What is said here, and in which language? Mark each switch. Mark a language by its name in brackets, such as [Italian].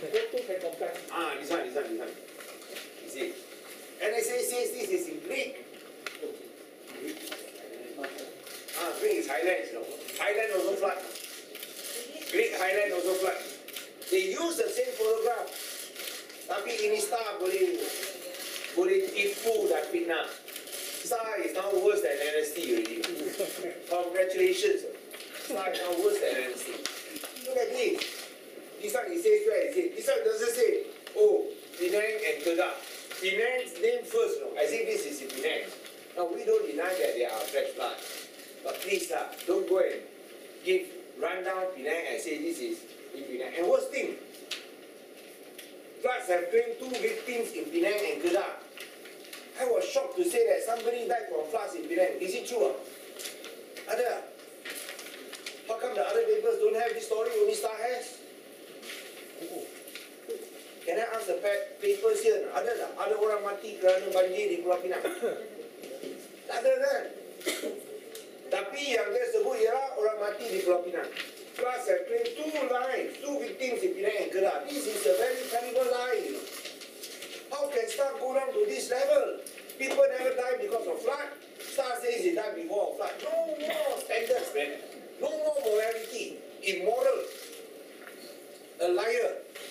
[English] Hold two. Ah, this one. You see? NST says this is in Greek. Greek is Highlands, you know. Highlands also flood. Greek Highlands also flood. They use the same photograph. [Malay] Tapi ini star boleh tipu dan fitnah. [English] Star is now worse than NST already. Congratulations. Star is now worse than NST. Look at this. This one, he says where is it? This one doesn't say, oh, Penang and Kedah. Penang's name first, you know. I think this is in Penang. Now, we don't deny that there are fresh floods. But please, don't go and give rundown Penang and say this is in Penang. And worst thing, floods have claimed 2 victims in Penang and Kedah. I was shocked to say that somebody died from floods in Penang. Is it true? [Malay] Ada. [English] How come the other papers don't have this story, only Star has? Can I ask the papers here? [Malay] Ada lah. Ada orang mati kerana banjir di Pulau Pinang. Tak ada kan? Tapi yang dia sebut ialah orang mati di Pulau Pinang. [English] Plus, I claim 2 lives, 2 victims in Penang and Kedah. This is a very terrible lie. You know? How can Star go down to this level? People never die because of flood. Star says he died before of flood. No more standards, man. No more morality. Immoral. A liar.